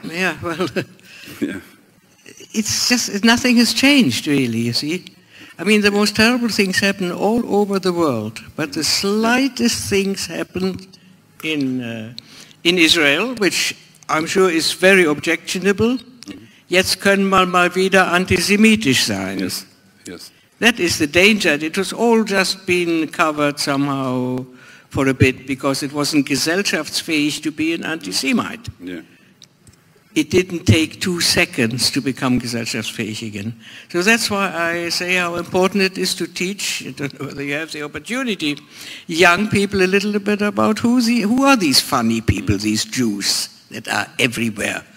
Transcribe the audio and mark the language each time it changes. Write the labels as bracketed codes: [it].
[en] Yeah, well. Yeah. It's just nothing has changed really. You see, I mean the most terrible things happen all over the world, but the slightest things happen in Israel, which I'm sure is very objectionable. [de] Jetzt können wir mal wieder antisemitisch sein. [en] Yes, yes. That is the danger. It was all just been covered somehow for a bit because it wasn't gesellschaftsfähig to be an anti-Semite. Yeah. It didn't take 2 seconds to become gesellschaftsfähig again. So that's why I say how important it is to teach, I don't know whether you have the opportunity, young people a little bit about who are these funny people, these Jews that are everywhere.